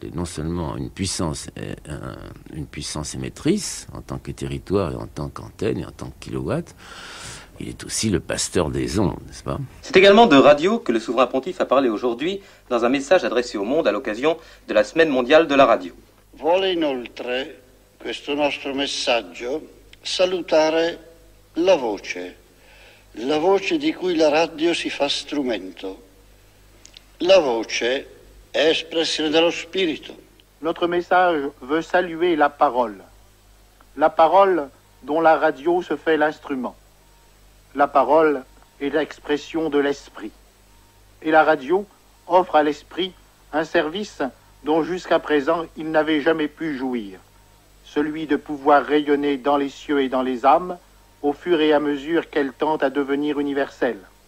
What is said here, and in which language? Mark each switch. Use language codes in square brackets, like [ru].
[fr] Il est non seulement une puissance émettrice, en tant que territoire, et en tant qu'antenne, et en tant que kilowatt, il est aussi le pasteur des ondes, n'est-ce pas ? C'est également de radio que le souverain pontife a parlé aujourd'hui dans un message adressé au monde à l'occasion de la Semaine mondiale de la radio. [it] Vuole inoltre questo nostro messaggio salutare la voce di cui la radio si fa strumento. La voce è espressione dello spirito. [fr] Notre message veut saluer la parole dont la radio se fait l'instrument. La parole est l'expression de l'esprit. Et la radio offre à l'esprit un service dont jusqu'à présent il n'avait jamais pu jouir, celui de pouvoir rayonner dans les cieux et dans les âmes au fur et à mesure qu'elle tend à devenir universelle.